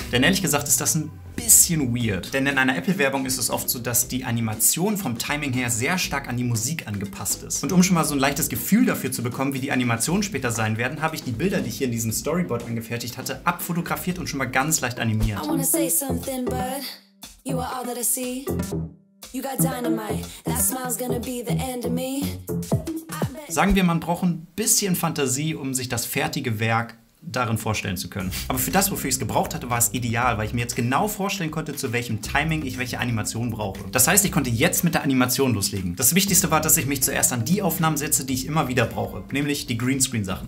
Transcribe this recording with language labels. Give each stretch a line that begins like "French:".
German: Denn ehrlich gesagt ist das ein bisschen weird. Denn in einer Apple-Werbung ist es oft so, dass die Animation vom Timing her sehr stark an die Musik angepasst ist. Und um schon mal so ein leichtes Gefühl dafür zu bekommen, wie die Animationen später sein werden, habe ich die Bilder, die ich hier in diesem Storyboard angefertigt hatte, abfotografiert und schon mal ganz leicht animiert.
English: I wanna say something, but you are all that I see. You got dynamite, that smile's gonna be the end of me.
German: Sagen wir, man braucht ein bisschen Fantasie, um sich das fertige Werk darin vorstellen zu können. Aber für das, wofür ich es gebraucht hatte, war es ideal, weil ich mir jetzt genau vorstellen konnte, zu welchem Timing ich welche Animation brauche. Das heißt, ich konnte jetzt mit der Animation loslegen. Das Wichtigste war, dass ich mich zuerst an die Aufnahmen setze, die ich immer wieder brauche, nämlich die Greenscreen-Sachen.